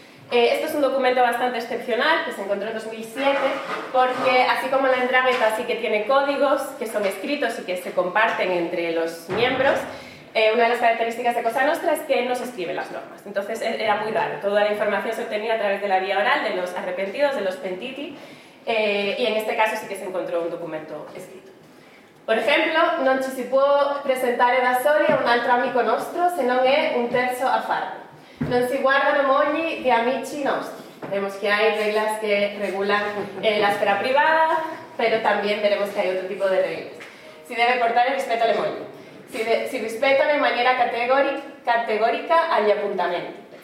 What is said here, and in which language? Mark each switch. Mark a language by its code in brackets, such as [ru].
[es] Este es un documento bastante excepcional que se encontró en 2007 porque así como la 'Ndrangheta sí que tiene códigos que son escritos y que se comparten entre los miembros, una de las características de Cosa Nostra es que no se escriben las normas. Entonces era muy raro, toda la información se obtenía a través de la vía oral de los arrepentidos, de los pentiti, y en este caso sí que se encontró un documento escrito. Por ejemplo, [it] non ci si può presentare da soli a un altro amico nostro se non è un terzo a farlo. Non si guardano mogli di amici nostri. [es] Vemos que hay reglas que regulan la esfera privada, pero también veremos que hay otro tipo de reglas. [it] Si debe portare rispetto alle mogli. Si rispettano in maniera categorica agli appuntamenti.